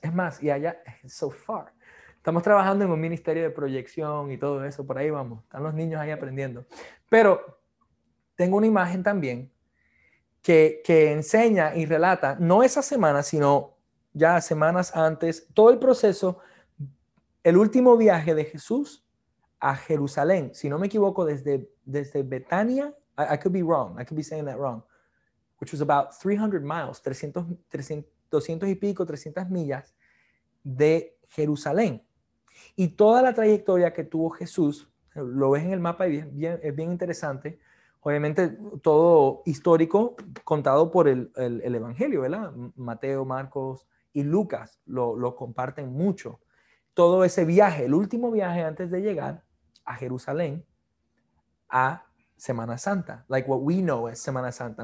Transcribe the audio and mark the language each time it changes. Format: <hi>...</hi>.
<es>Es más, y allá,</es> <en>so far,</en> <es>estamos trabajando en un ministerio de proyección y todo eso, por ahí vamos, están los niños ahí aprendiendo. Pero tengo una imagen también que enseña y relata, no esa semana, sino ya semanas antes, todo el proceso, el último viaje de Jesús a Jerusalén. Si no me equivoco, desde Betania,</es> <en>I could be saying that wrong, which was about 300 miles,</en> <es>300 millas de Jerusalén. Y toda la trayectoria que tuvo Jesús, lo ves en el mapa y es bien interesante. Obviamente todo histórico contado por el Evangelio, ¿verdad? Mateo, Marcos y Lucas lo comparten mucho. todo ese viaje, el último viaje antes de llegar a Jerusalén, a Semana Santa,</es> <en>like what we know</en> <es>es Semana Santa.</es>